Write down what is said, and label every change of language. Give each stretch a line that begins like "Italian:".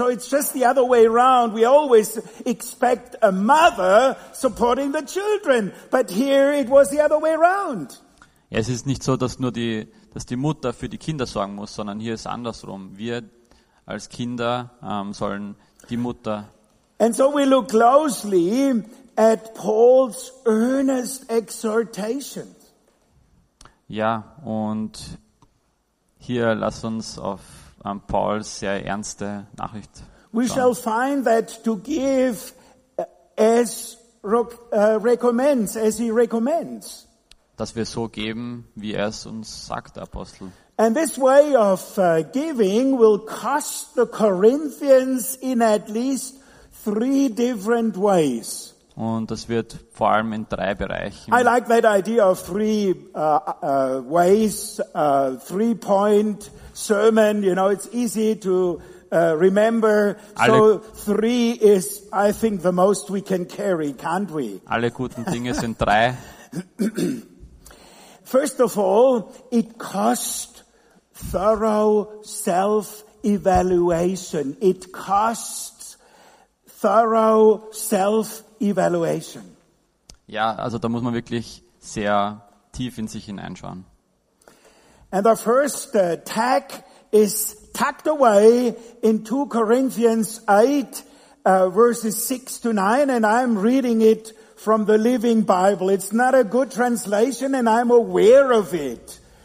English: So it's just the other way around. We always expect a mother supporting the children, but here it was the other way around.
German: Ja, es ist nicht so, dass nur die Mutter für die Kinder sorgen muss, sondern hier ist andersrum. Wir als Kinder sollen die Mutter.
English: And so we look closely at Paul's earnest exhortations.
German: Ja, und hier lass uns auf Pauls sehr ernste Nachricht schauen.
English: We shall find that to give as recommends, as he recommends.
German: Dass wir so geben, wie es uns sagt, der Apostel.
English: And this way of giving will cost the Corinthians in at least 3 different ways.
German: Und das wird vor allem in 3 Bereichen.
English: I like that idea of 3 ways, 3-point sermon. You know, it's easy to remember. So 3 is, I think, the most we can carry, can't we?
German: Alle guten Dinge sind 3.
English: First of all, it costs thorough self-evaluation. It costs thorough self-evaluation.
German: Ja, also da muss man wirklich sehr tief in sich hineinschauen.
English: And the first tag is tucked away in 2 Corinthians 8, verses 6 to 9, and I'm reading it from the Living Bible. It's not a good translation, and I'm aware of it.